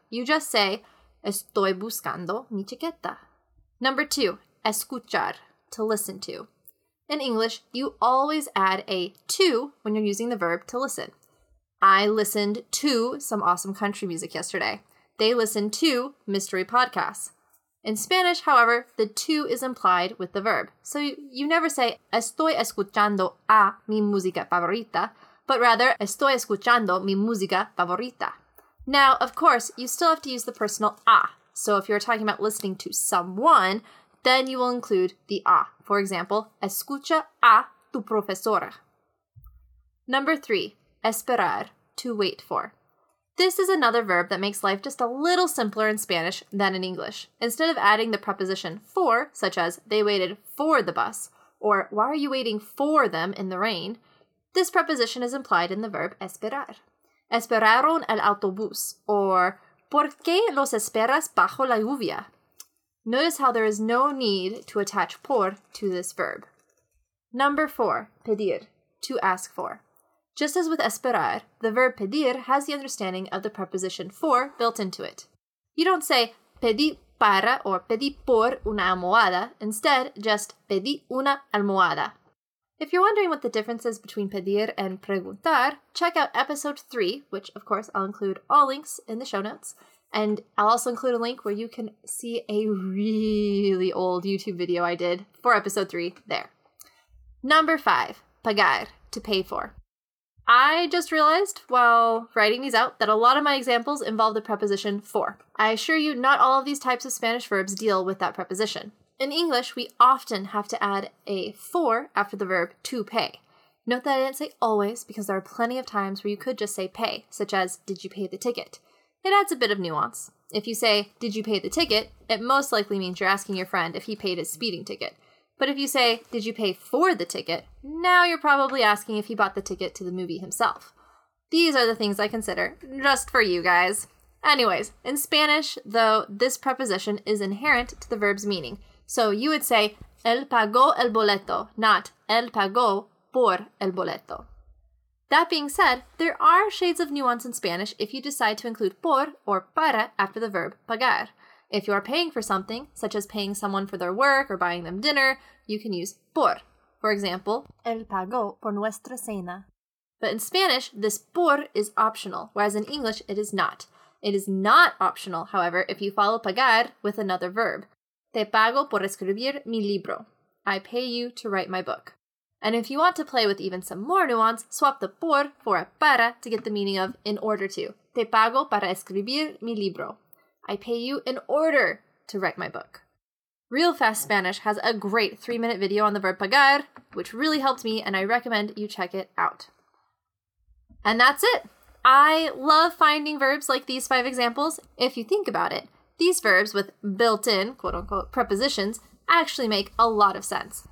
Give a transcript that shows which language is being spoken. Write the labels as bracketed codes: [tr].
[en] You just say, [es] estoy buscando mi chaqueta. [en] Number 2, escuchar, to listen to. In English, you always add a to when you're using the verb to listen. I listened to some awesome country music yesterday. They listen to mystery podcasts. In Spanish, however, the to is implied with the verb. So you never say, [es] estoy escuchando a mi música favorita, [en] but rather, [es] estoy escuchando mi música favorita. [en] Now, of course, you still have to use the personal a. So if you're talking about listening to someone, then you will include the a. For example, [es] escucha a tu profesora. [en] Number 3, esperar, to wait for. This is another verb that makes life just a little simpler in Spanish than in English. Instead of adding the preposition for, such as they waited for the bus, or why are you waiting for them in the rain, this preposition is implied in the verb esperar. [es] Esperaron el autobús, or ¿por qué los esperas bajo la lluvia? [en] Notice how there is no need to attach por to this verb. Number 4, pedir, to ask for. Just as with esperar, the verb pedir has the understanding of the preposition for built into it. You don't say [es] pedí para or pedí por una almohada, [en] instead just [es] pedí una almohada. [en] If you're wondering what the difference is between pedir and preguntar, check out episode 3, which of course I'll include all links in the show notes, and I'll also include a link where you can see a really old YouTube video I did for episode 3 there. Number 5, pagar, to pay for. I just realized while writing these out that a lot of my examples involve the preposition for. I assure you, not all of these types of Spanish verbs deal with that preposition. In English, we often have to add a for after the verb to pay. Note that I didn't say always because there are plenty of times where you could just say pay, such as, did you pay the ticket? It adds a bit of nuance. If you say, did you pay the ticket, it most likely means you're asking your friend if he paid his speeding ticket. But if you say, did you pay for the ticket, now you're probably asking if he bought the ticket to the movie himself. These are the things I consider just for you guys. Anyways, in Spanish, though, this preposition is inherent to the verb's meaning. So you would say, [es] él pagó el boleto, not él pagó por el boleto. [en] That being said, there are shades of nuance in Spanish if you decide to include por or para after the verb pagar. If you are paying for something, such as paying someone for their work or buying them dinner, you can use por. For example, [es] él pagó por nuestra cena. [en] But in Spanish, this por is optional, whereas in English it is not. It is not optional, however, if you follow pagar with another verb. [es] Te pago por escribir mi libro. [en] I pay you to write my book. And if you want to play with even some more nuance, swap the por for a para to get the meaning of in order to. [es] Te pago para escribir mi libro. [en] I pay you in order to write my book. Real Fast Spanish has a great 3-minute video on the verb pagar, which really helped me, and I recommend you check it out. And that's it. I love finding verbs like these 5 examples. If you think about it, these verbs with built-in, quote-unquote, prepositions actually make a lot of sense.